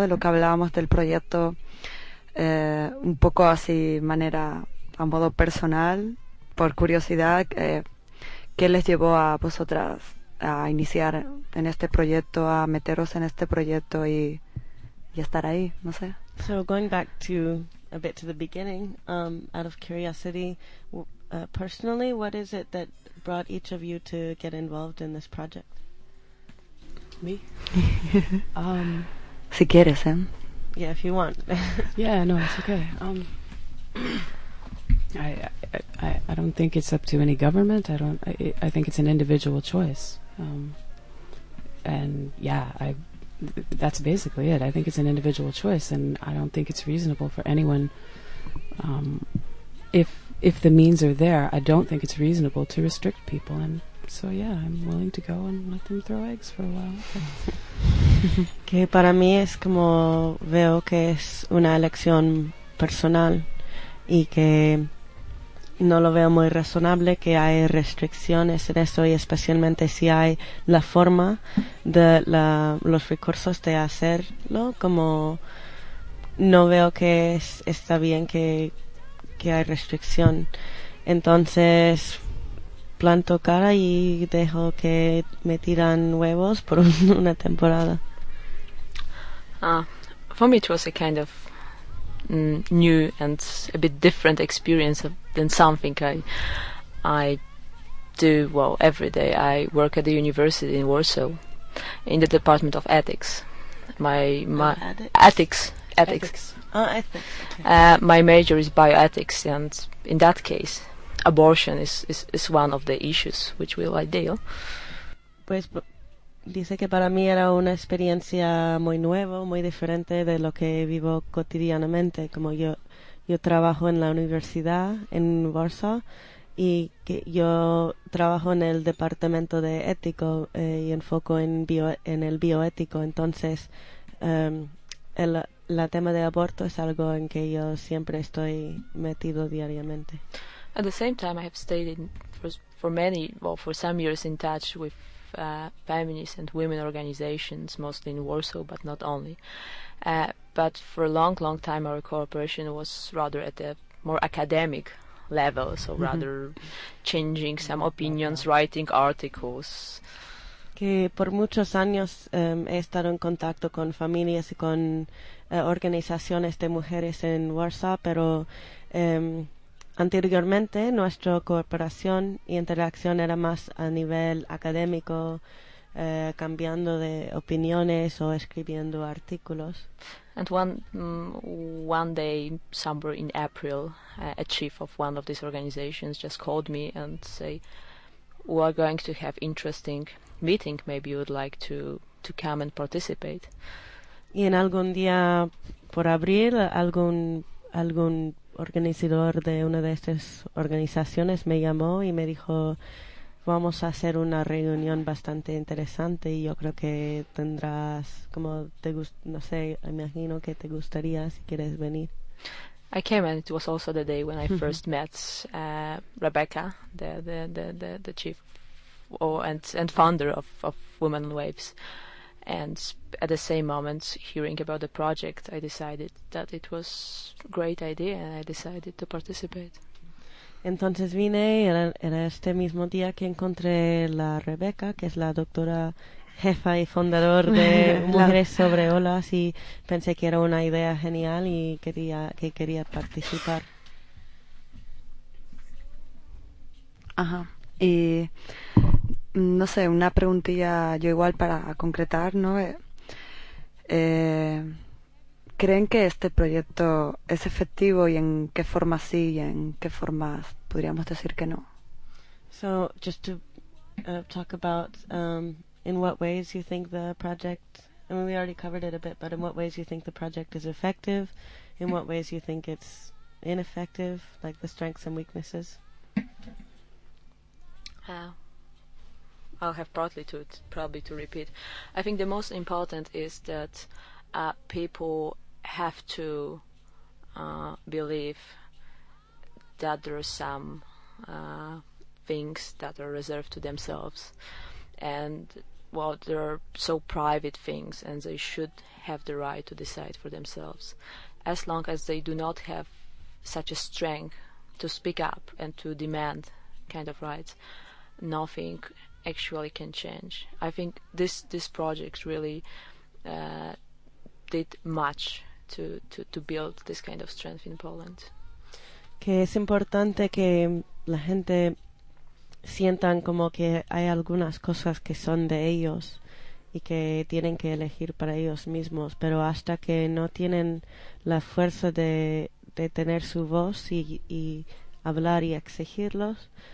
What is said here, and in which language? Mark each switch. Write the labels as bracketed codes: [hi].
[es] De lo que hablábamos del proyecto, un poco así manera. A modo personal, por curiosidad, ¿qué les llevó a vosotras a iniciar en este proyecto, a meteros en este proyecto y estar ahí? No sé. [en] So going back to a bit to the beginning, out of curiosity, personally, what is it that brought each of you to get involved in this project? Me? [es] Si quieres, ¿eh? [en] Yeah, if you want. Yeah, no, it's okay. I don't think it's up to any government. I think it's an individual choice. That's basically it. I think it's an individual choice, and I don't think it's reasonable for anyone. If the means are there, I don't think it's reasonable to restrict people. And so, yeah, I'm willing to go and let them throw eggs for a while. [es] Que para mí es como veo que es una elección personal, y que no lo veo muy razonable que hay restricciones en eso, y especialmente si hay la forma de los recursos de hacerlo, como no veo que está bien que hay restricción. Entonces planto cara y dejo que me tiran huevos por una temporada. [en] For me it was a kind of new and a bit different experience than something I do well every day. I work at the university in Warsaw in the department of ethics. Ethics. My major is bioethics, and in that case abortion is one of the issues which will I deal. [es] Pues dice que para mí era una experiencia muy nueva, muy diferente de lo que vivo cotidianamente. Como yo trabajo en la universidad en Warsaw, y que yo trabajo en el departamento de ético y enfoco en el bioético. Entonces, el tema de aborto es algo en que yo siempre estoy metido diariamente. [en] At the same time, I have stayed for some years in touch with feminist and women organizations, mostly in Warsaw, but not only. But for a long, long time, our cooperation was rather at a more academic level, so rather changing some opinions, writing articles. [es] Que por muchos años he estado en contacto con familias y con organizaciones de mujeres en Warsaw, pero anteriormente nuestra cooperación y interacción era más a nivel académico, cambiando de opiniones o escribiendo artículos. [en] And one day, somewhere in April, a chief of one of these organizations just called me and say, "We are going to have interesting meeting. Maybe you would like to come and participate." [es] Y en algún día por abril, algún organizador de una de estas organizaciones me llamó y me dijo, vamos a hacer una reunión bastante interesante, y yo creo que tendrás como imagino que te gustaría si quieres venir. [en] I came, and it was also the day when I first met Rebecca, the chief and founder of Women on Waves. And at the same moment, hearing about the project, I decided that it was a great idea, and I decided to participate. [es] Entonces vine, era este mismo día que encontré la Rebecca, que es la doctora jefa y fundador de Mujeres Sobre Olas, y pensé que era una idea genial y quería participar. Ajá. Y no sé, una preguntilla yo igual para concretar, ¿no? ¿Creen que este proyecto es efectivo, y en qué forma sí y en qué forma podríamos decir que no? [en] So just to talk about in what ways you think the project, I mean, we already covered it a bit, but in what ways you think the project is effective, in what ways you think it's ineffective, like the strengths and weaknesses. I'll have probably to repeat. I think the most important is that people have to believe that there are some things that are reserved to themselves, and well, they are so private things, and they should have the right to decide for themselves. As long as they do not have such a strength to speak up and to demand kind of rights, nothing actually can change. I think this project really did much to build this kind of strength in Poland. [es] Que es importante que la gente sientan como que hay algunas cosas que son de ellos y que tienen que elegir para ellos mismos, pero hasta que no tienen la fuerza de tener su voz y hablar y exigirlos,